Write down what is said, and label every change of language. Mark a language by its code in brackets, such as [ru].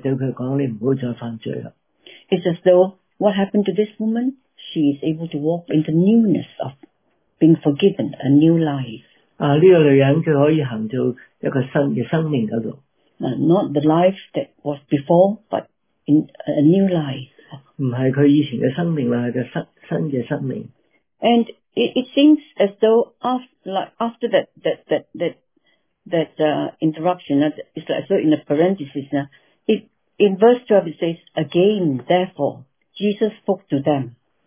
[zh] 主是跟他講,主是無罪的主,對他講你不要再犯罪了。 [en] It's as though what happened to this woman, she is able to walk in the newness of being forgiven, a new life. [zh] 這個女人她可以行到一個新的生命那裡。 [en] Not the life that was before, but in a new life. [zh] 不是他以前的生命,是新的生命。 [en] And it seems as though after that interruption, it's like so in a parenthesis, in verse 12 it says, again, therefore, Jesus spoke to them.